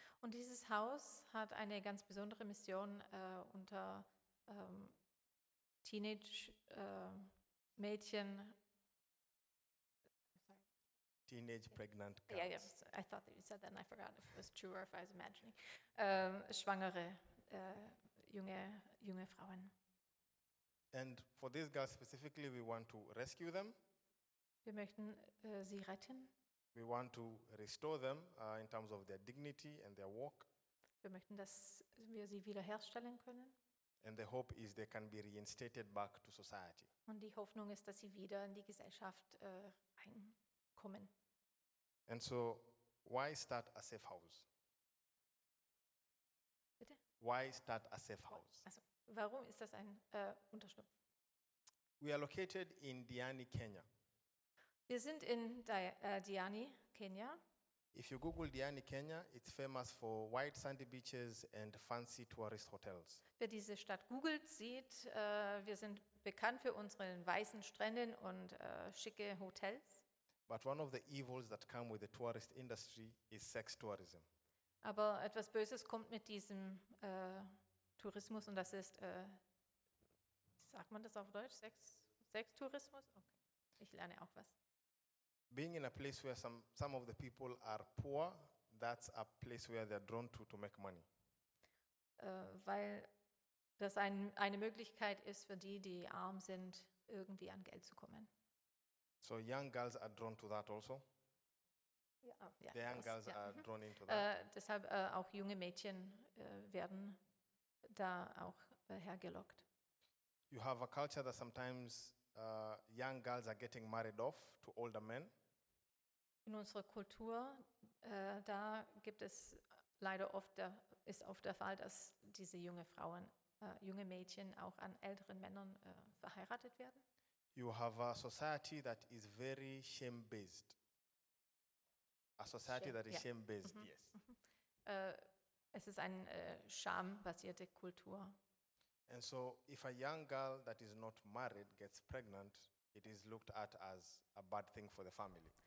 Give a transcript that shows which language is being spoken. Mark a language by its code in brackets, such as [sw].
[de] Und dieses Haus hat eine ganz besondere Mission unter Teenage-Mädchen. [en] Teenage-pregnant girls. Yeah, yes, I thought that you said that and I forgot if it was true or if I was imagining. [de] Schwangere, junge Frauen. [en] And for these girls specifically, we want to rescue them. [de] Wir möchten sie retten. [en] We want to restore them in terms of their dignity and their work. [de] Wir möchten, dass wir sie wiederherstellen können. [en] And the hope is they can be reinstated back to society. [de] Und die Hoffnung ist, dass sie wieder in die Gesellschaft reinkommen. [en] And so, why start a safe house? [de] Bitte? [en] Why start a safe house? [de] Also, warum ist das ein Unterschlupf? [en] We are located in Diani, Kenya. [de] Wir sind in Diani, Kenya. [en] If you Google Diani, Kenya, it's famous for white sandy beaches and fancy tourist hotels. [de] Wer diese Stadt googelt, sieht, wir sind bekannt für unsere weißen Strände und schicke Hotels. [en] But one of the evils that come with the tourist industry is sex tourism. [de] Aber etwas Böses kommt mit diesem Tourismus und das ist, sagt man das auf Deutsch? Sextourismus? Okay. Ich lerne auch was. [en] Being in a place where some of the people are poor, that's a place where they're drawn to make money. [de] Weil das eine Möglichkeit ist für die arm sind, irgendwie an Geld zu kommen. [en] So young girls are drawn to that also? Yeah. The young girls are drawn into that. [de] Deshalb auch junge Mädchen werden da auch hergelockt. [en] You have a culture that sometimes young girls are getting married off to older men. [de] In unserer Kultur, da gibt es leider oft, ist oft der Fall, dass diese junge Frauen, junge Mädchen auch an älteren Männern verheiratet werden. [en] You have a society that is very shame-based. A society that is shame-based, yes. [de] Es ist eine schambasierte Kultur. [en] And so if a young girl that is not married gets pregnant, it is looked at as a bad thing for the family.